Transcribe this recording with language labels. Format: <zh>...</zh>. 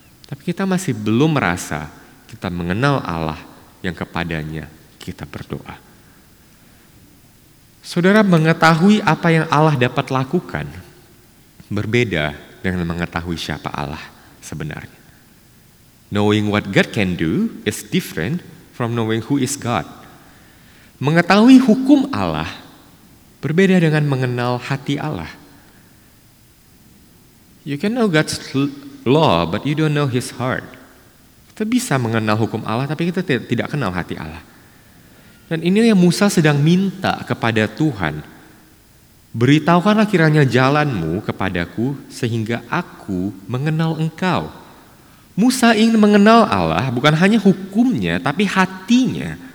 <id>Tapi kita masih belum merasa kita mengenal Allah yang kepadanya kita berdoa. Saudara, mengetahui apa yang Allah dapat lakukan berbeda dengan mengetahui siapa Allah sebenarnya.</id> <en>Knowing what God can do is different from knowing who is God.</en> <id>Mengetahui hukum Allah berbeda dengan mengenal hati Allah.</id> <en>You can know God's law, but you don't know his heart.</en> <id>Kita bisa mengenal hukum Allah, tapi kita tidak kenal hati Allah. Dan ini yang Musa sedang minta kepada Tuhan. Beritahukanlah kiranya jalanmu kepadaku sehingga aku mengenal engkau. Musa ingin mengenal Allah bukan hanya hukumnya, tapi hatinya.</id>